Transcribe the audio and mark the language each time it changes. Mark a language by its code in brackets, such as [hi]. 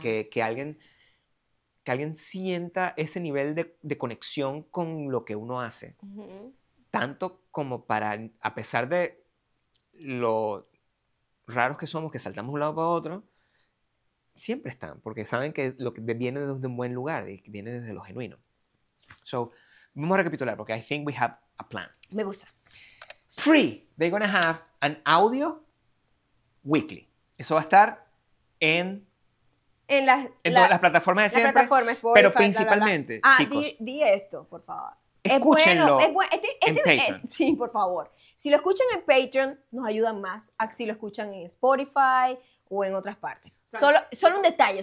[es] Que alguien sienta ese nivel de conexión con lo que uno hace. Uh-huh. Tanto como para, a pesar de lo raros que somos, que saltamos de un lado para otro, siempre están. Porque saben que lo que viene desde un buen lugar, viene desde lo genuino. [en] So, [es] vamos a recapitular, porque [en] I think we have a plan. [es] Me gusta. [en] Free, they're gonna have an audio weekly. [es] Eso va a estar en... En las plataformas de siempre, plataformas, Spotify, pero principalmente, la. Ah, chicos, di esto, por favor. Escúchenlo es bueno, sí, por favor. Si lo escuchan en Patreon, nos ayudan más a si lo escuchan en Spotify o en otras partes. O sea, solo un detalle.